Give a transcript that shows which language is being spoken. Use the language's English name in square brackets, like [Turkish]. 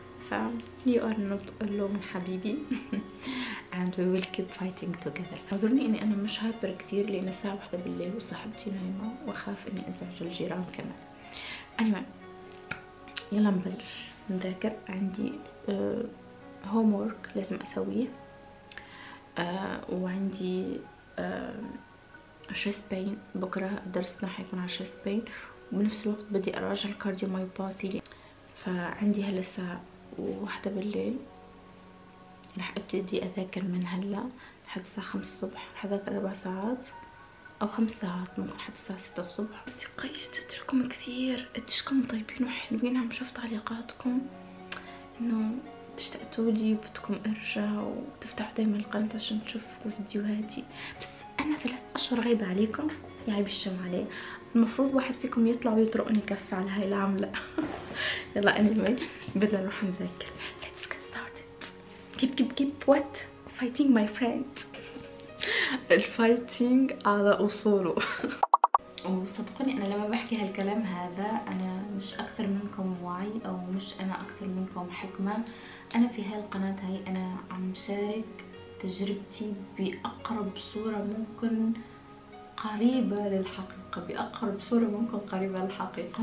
[English] ف you are not alone حبيبي and we will keep fighting together. [Arabic] اعذرني اني انا مش هايبر كثير لان الساعة واحدة بالليل وصاحبتي نايمة واخاف اني ازعج الجيران كمان. anyway يلا نبلش نذاكر. عندي homework لازم اسويه وعندي شست بين بكرة درسنا حيكون على شست بين وبنفس الوقت بدي اراجع الكارديوميوباثي. فعندي هلا الساعة واحدة بالليل رح ابتدي اذاكر من هلا لحد الساعة 5 الصبح. رح اذاكر 4 ساعات او 5 ساعات ممكن حتى الساعة 6 الصبح. اصدقائي اشتقتلكم كثير، قديشكم طيبين وحلوين. عم شوف تعليقاتكم انه اشتقتوا لي وبدكم ارجع وتفتحوا دايما القناة عشان تشوفوا فيديوهاتي. بس انا 3 اشهر غايبة عليكم يا عيب الشم علي. المفروض واحد فيكم يطلع ويطرقني كف على هاي العملة. يلا anyway بدنا نروح نذاكر. [English] let's get started. keep keep keep what fighting my friend. [Arabic] الفايتينج على أصوله. وصدقوني أنا لما بحكي هالكلام هذا أنا مش أكثر منكم وعي أو مش أنا أكثر منكم حكمة. أنا في هاي القناة هاي أنا عم شارك تجربتي بأقرب صورة ممكن قريبة للحقيقة، بأقرب صورة ممكن قريبة للحقيقة.